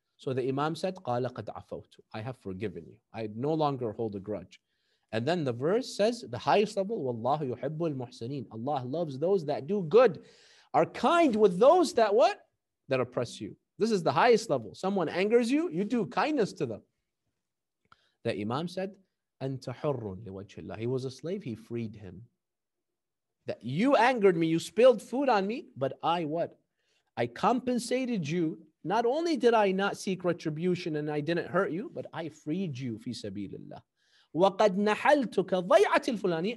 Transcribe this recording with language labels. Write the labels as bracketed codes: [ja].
[en] So the imam said, [ar] قَالَ قَدْ عَفَوْتُ. [en] I have forgiven you. I no longer hold a grudge. And then the verse says, the highest level, [ar] وَاللَّهُ يُحِبُّ الْمُحْسَنِينَ. [en] Allah loves those that do good, are kind with those that what? That oppress you. This is the highest level. Someone angers you, you do kindness to them. The imam said, [ar] أَنْتَ حُرٌّ لِوَجْهِ اللَّهِ. [en] He was a slave, he freed him. That you angered me, you spilled food on me, but I what? I compensated you. Not only did I not seek retribution and I didn't hurt you, but I freed you fi sabilillah. [ar] وَقَدْ نَحَلْتُكَ ضَيْعَةِ الْفُلَانِ.